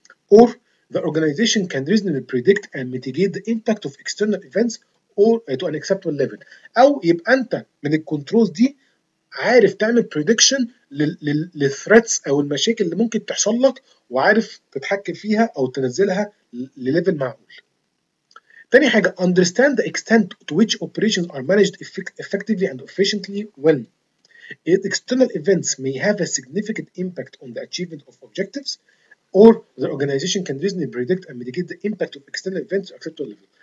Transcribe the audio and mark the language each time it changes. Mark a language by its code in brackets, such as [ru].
[en] Or the organization can reasonably predict and mitigate the impact of external events or to an acceptable level. [ar] او يبقى انت من الكنترولز دي عارف تعمل prediction للthreats او المشاكل اللي ممكن تحصل لك، وعارف تتحكم فيها او تنزلها لليفل معقول. تاني حاجة [en] understand the extent to which operations are managed effectively and efficiently when external events may have a significant impact on the achievement of objectives or the organization can reasonably predict and mitigate the impact of external events at acceptable level.